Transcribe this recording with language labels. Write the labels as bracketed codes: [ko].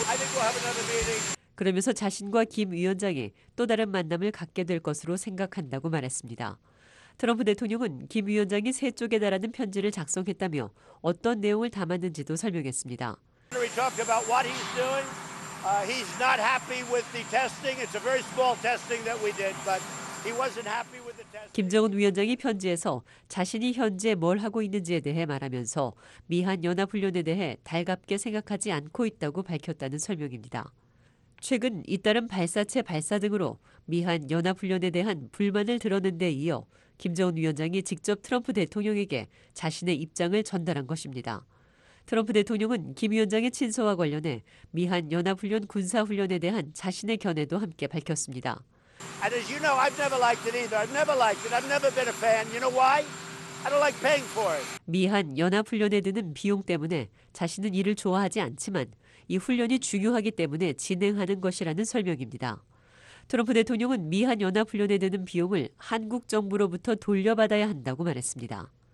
[en] I think we'll have another meeting. [ko] 그러면서 자신과 김 위원장이 또 다른 만남을 갖게 될 것으로 생각한다고 말했습니다. 트럼프 대통령은 김 위원장이 세 쪽에 달하는 편지를 작성했다며 어떤 내용을 담았는지도 설명했습니다. [en] We talked about what he's doing. He's not happy with the testing. It's a very small testing that we did, but [ko] 김정은 위원장이 편지에서 자신이 현재 뭘 하고 있는지에 대해 말하면서 미한연합훈련에 대해 달갑게 생각하지 않고 있다고 밝혔다는 설명입니다. 최근 잇따른 발사체 발사 등으로 미한연합훈련에 대한 불만을 드러낸 데 이어 김정은 위원장이 직접 트럼프 대통령에게 자신의 입장을 전달한 것입니다. 트럼프 대통령은 김 위원장의 친서와 관련해 미한연합훈련 군사훈련에 대한 자신의 견해도 함께 밝혔습니다. [en] And as you know, I've never liked it either. I've never liked it. I've never been a fan. You know why? I don't like paying for it. [ko] 미한 연합훈련에 드는 비용 때문에 자신은 이를 좋아하지 않지만 이 훈련이 중요하기 때문에 진행하는 것이라는 설명입니다. 트럼프 대통령은 미한 연합훈련에 드는 비용을 한국 정부로부터 돌려받아야 한다고 말했습니다.